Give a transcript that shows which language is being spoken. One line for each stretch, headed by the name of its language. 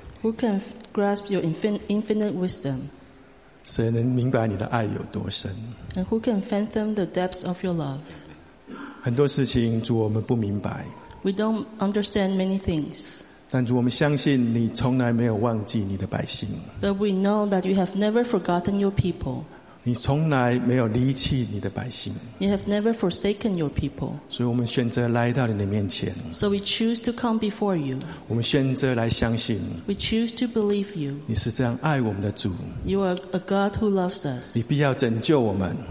English: ？Who can grasp your infinite wisdom？
Chinese: 谁能明白你的爱有多深
English: ？And who can fathom the depths of your love？
Chinese: 很多事情主我们不明白。
English: We don't understand many things.
Chinese: 但主我们相信你从来没有忘记你的百姓。
English: But we know that you have never forgotten your people.
Chinese: 你从来没有离弃你的百姓。
English: You have never forsaken your people.
Chinese: 所以我们选择来到你的面前。
English: So we choose to come before you.
Chinese: 我们选择来相信。
English: We choose to believe you.
Chinese: 你是这样爱我们的主。
English: You are a God who loves us.
Chinese: 你必要拯救我们。